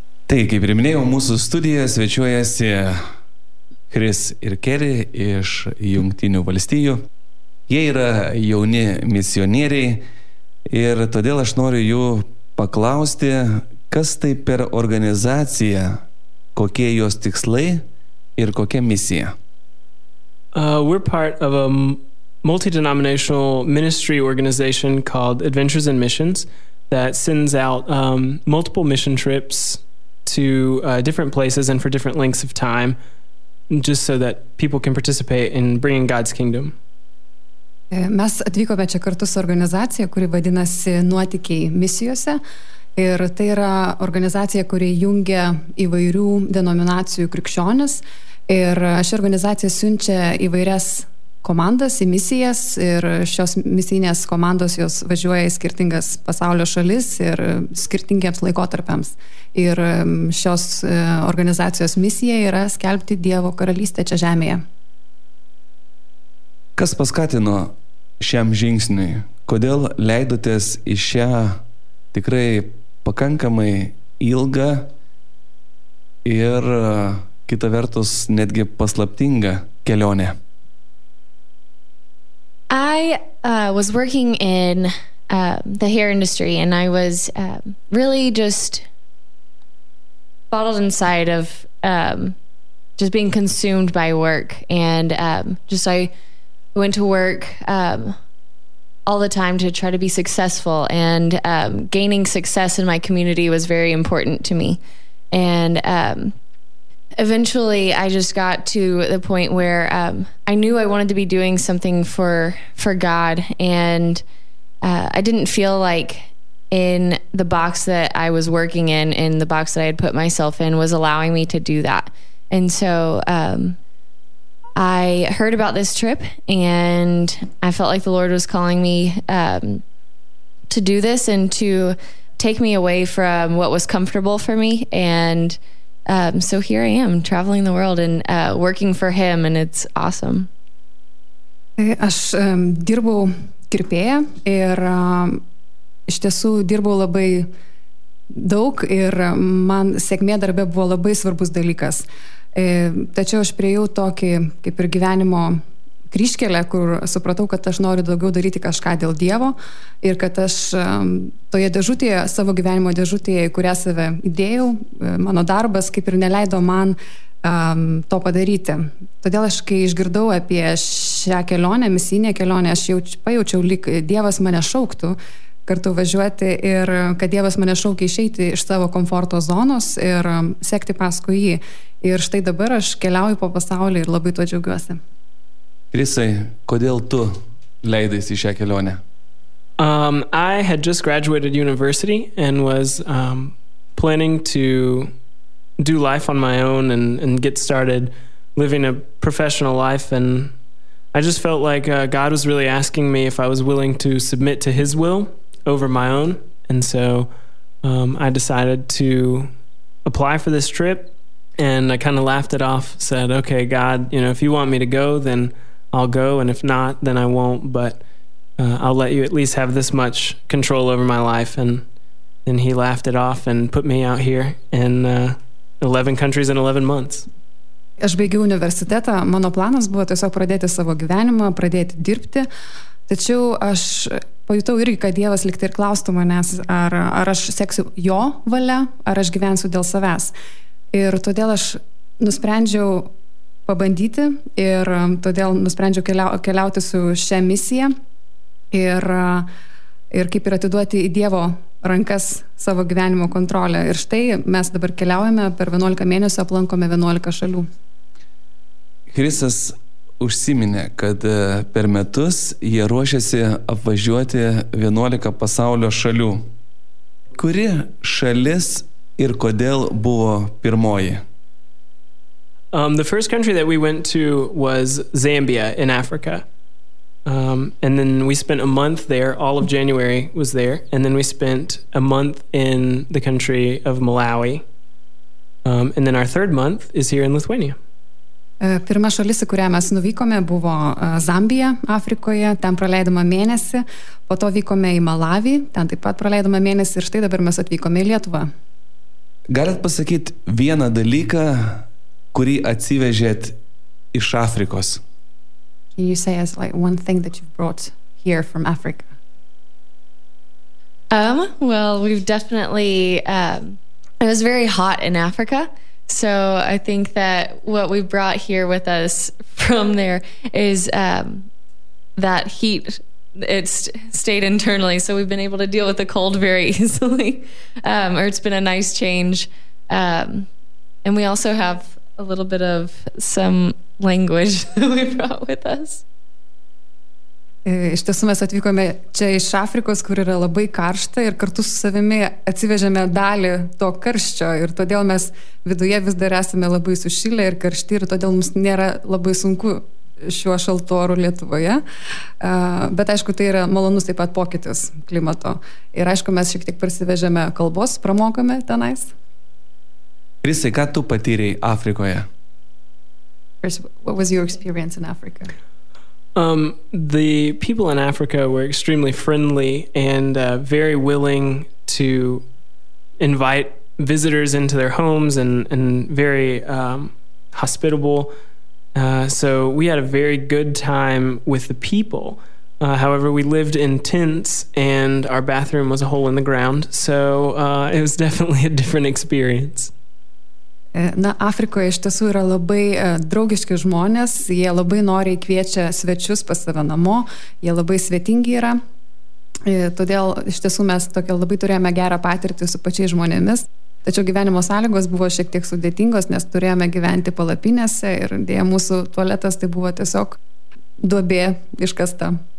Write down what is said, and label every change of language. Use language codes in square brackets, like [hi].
[lt] Tai, kaip ir minėjau, mūsų studijoje svečiuojasi Chris ir Kerry iš Jungtinių Valstijų. Jie yra jauni misionieriai ir todėl aš noriu jų paklausti, kas tai per organizacija, kokie jos tikslai ir kokia misija. [en] We're part of a multi-denominational ministry organization called Adventures in Missions that sends out multiple mission trips to different places and for different lengths of time, just so that people can participate in bringing God's kingdom. [lt] Mes atvykome čia kartu su organizacija, kuri vadinasi Nuotykiai misijose, ir tai yra organizacija, kuri jungia įvairių denominacijų krikščionis, ir ši organizacija siunčia įvairias komandas į misijas, ir šios misijinės komandos jos važiuoja į skirtingas pasaulio šalis ir skirtingiems laikotarpiams. Ir šios organizacijos misija yra skelbti Dievo karalystę čia žemėje. Kas paskatino šiam žingsniui? Kodėl leidotės į šią tikrai pakankamai ilgą ir kita vertus netgi paslaptingą kelionę? [en] I was working in the hair industry, and I was really just bottled inside of just being consumed by work. And just I went to work all the time to try to be successful, and gaining success in my community was very important to me. And eventually I just got to the point where I knew I wanted to be doing something for God, and I didn't feel like in the box that I was working in the box that I had put myself in, was allowing me to do that. And so I heard about this trip, and I felt like the Lord was calling me to do this and to take me away from what was comfortable for me. And so here I am, traveling the world and working for Him, and it's awesome. [lt] Aš dirbau kirpėja, ir iš tiesų dirbau labai daug, ir man sėkmė darbe buvo labai svarbus dalykas. Tačiau aš priejau tokį kaip ir gyvenimo kryžkelę, kur supratau, kad aš noriu daugiau daryti kažką dėl Dievo, ir kad aš toje dėžutėje, savo gyvenimo dėžutėje, į kurią save įdėjau, mano darbas kaip ir neleido man to padaryti. Todėl aš, kai išgirdau apie šią kelionę, misijinę kelionę, aš pajaučiau, lyg Dievas mane šauktų kartu važiuoti, ir kad Dievas mane šaukia išeiti iš savo komforto zonos ir sekti paskui jį. Ir štai dabar aš keliauju po pasaulį ir labai tuo džiaugiuosi. Chrisai, kodėl tu leidaisi į šią kelionę? [en] I had just graduated university and was planning to do life on my own and get started living a professional life, and I just felt like God was really asking me if I was willing to submit to His will over my own, and so I decided to apply for this trip, and I kind of laughed it off, said, okay, God, you know, if you want me to go, then I'll go, and if not, then I won't, but I'll let you at least have this much control over my life. And he laughed it off and put me out here in 11 countries in 11 months. [lt] Aš baigiau universitetą, mano planas buvo tiesiog pradėti savo gyvenimą, pradėti dirbti, tačiau aš pajutau irgi, kad Dievas likti ir klaustų manęs, ar aš seksiu jo valia, ar aš gyvensiu dėl savęs. Ir todėl aš nusprendžiau pabandyti, ir todėl nusprendžiau keliauti su šia misija ir kaip ir atiduoti į Dievo rankas savo gyvenimo kontrolę. Ir štai mes dabar keliaujame, per 11 mėnesių aplankome 11 šalių. Chrisas užsiminė, kad per metus jie ruošiasi apvažiuoti 11 pasaulio šalių. Kuri šalis ir kodėl buvo pirmoji? [en] The first country that we went to was Zambia in Africa. And then we spent a month there, all of January was there, and then we spent a month in the country of Malawi. And then our third month is here in Lithuania. [lt] Pirma šalis, į kurią mes nuvykome, buvo Zambija, Afrikoje, ten praleidome mėnesį, po to vykome į Malawi, ten taip pat praleidome mėnesį, ir štai dabar mes atvykome į Lietuvą. Galit pasakyti vieną dalyką, kurį atsivežėt iš Afrikos? [en] Can you say as like one thing that you've brought here from Africa? Well, we've definitely it was very hot in Africa. So I think that what we brought here with us from there is that heat, it's stayed internally. So we've been able to deal with the cold very easily. Or it's been a nice change. And we also have a little bit of some language that we brought with us. [lt] Iš tiesų mes atvykome čia iš Afrikos, kur yra labai karšta ir kartu su savimi atsivežėme dalį to karščio ir todėl mes viduje vis dar esame labai sušilę ir karšti ir todėl mums nėra labai sunku šiuo šaltu oru Lietuvoje, bet aišku tai yra malonus taip pat pokytis klimato ir aišku mes šiek tiek prasivežėme kalbos, pramokome tenais. Krisai, ką tu patyrei Afrikoje? [en] Chris, what was your experience in Africa? The people in Africa were extremely friendly and very willing to invite visitors into their homes and very hospitable. So we had a very good time with the people. However, we lived in tents and our bathroom was a hole in the ground. So it was definitely a different experience. [lt] Na, Afrikoje iš tiesų yra labai draugiški žmonės, jie labai noriai kviečia svečius pas savo namo, jie labai svetingi yra, todėl iš tiesų mes tokia labai turėjome gerą patirtį su pačiais žmonėmis, tačiau gyvenimo sąlygos buvo šiek tiek sudėtingos, nes turėjome gyventi palapinėse ir dėja mūsų tualetas tai buvo tiesiog duobė iškasta.